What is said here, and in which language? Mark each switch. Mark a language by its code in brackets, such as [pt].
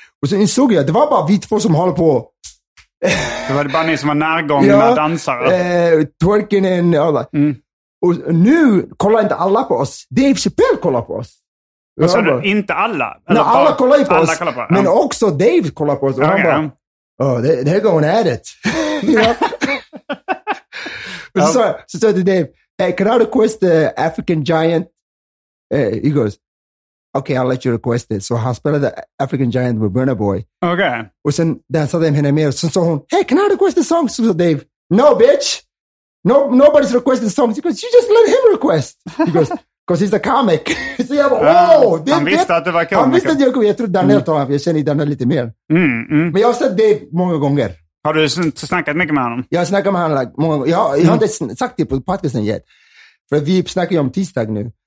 [sv] Och så insåg jag att det var bara vi två som håller på. Det var det bara ni som var närgångna ja, dansare. [en] Twerking and all that. Mm. [sv] Och nu kollar inte alla på oss. Dave Chappelle kollar på oss. Vad sa du? Inte alla? Nej, alla kollar på oss. Kollar på. Men också Dave kollar på oss. [en] Och okay. [sv] Han bara, [en] oh, they're going at it. [sv] Och så sa jag till [en] Dave, hey, can I request the African Giant? He goes, okay, I'll let you request it. So I'll spell the African Giant with Burna Boy. Okay. [sv] Och sen dansade jag henne med. Sen sa hon, [en] hey, can I request the song? So Dave, no, bitch. No, nobody's requesting the song. He goes, you just let him request. He goes, because he's a comic. [sv] Så jag bara, Han visste att det var komiker. Han visste att jag kunde. Jag tror Daniel tar. Jag känner Daniel lite mer. Mm. Men jag har sett Dave många gånger. Har du snackat mycket med honom? Jag har snackat med honom like, många gånger. Jag har inte sagt det på podcasten yet. För vi snackar ju om tisdag nu.